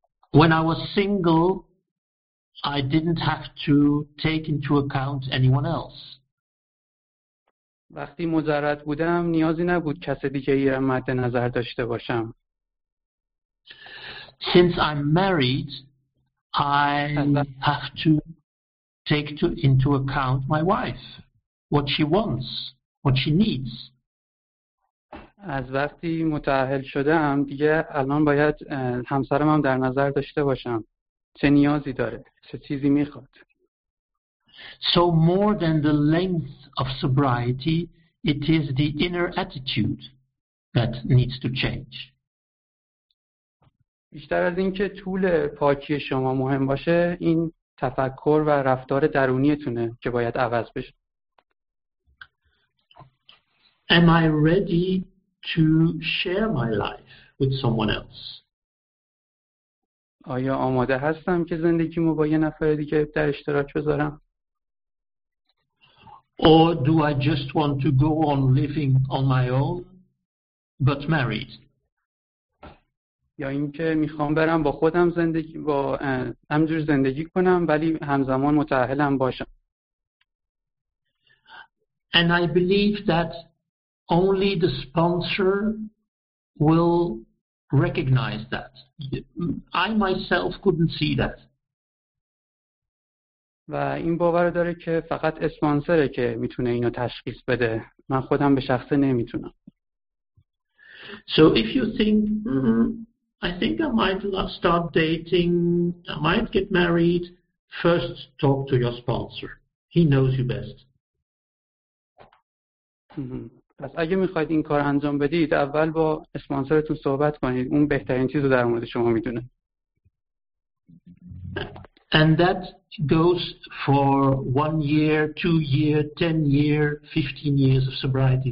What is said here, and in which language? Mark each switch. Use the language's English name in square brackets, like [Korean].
[English] When I was single, I didn't have to take into account anyone else. [Persian] وقتی مجرد بودم نیازی نبود کس دیگه ای را مد نظر داشته باشم. [English] Since I'm married, I have to take into account my wife, what she wants, what she needs. [Persian] از وقتی متأهل شدم دیگه الان باید همسرم هم در نظر داشته باشم. چه نیازی داره؟ چه چیزی میخواد؟ [English] So more than the length of sobriety, it is the inner attitude that needs to change. [Persian] بیشتر از اینکه طول پاکی شما مهم باشه، این تفکر و رفتار درونیتونه که باید عوض بشه. [English] Am I ready to share my life with someone else? [Persian] آیا آماده هستم که زندگیمو با یه نفر دیگه در اشتراک بذارم؟ [English] Or do I just want to go on living on my own, but married? [Persian] یا اینکه میخوام برم با خودم زندگی با همجور زندگی کنم ولی همزمان متأهلم باشم. [English] And I believe that only the sponsor will recognize that. I myself couldn't see that. [Persian] و این باور داره که فقط اسپانسره که میتونه اینو تشخیص بده. من خودم به شخصه نمیتونم. [English] So if you think, I think I might start dating, I might get married, first talk to your sponsor. He knows you best. [Persian] پس اگه میخواید این کار انجام بدید، اول با اسپانسرتون صحبت کنید، اون بهترین چیزو در مورد شما میدونه. [English] And that goes for 1 year, 2 year, 10 year, 15 years of sobriety.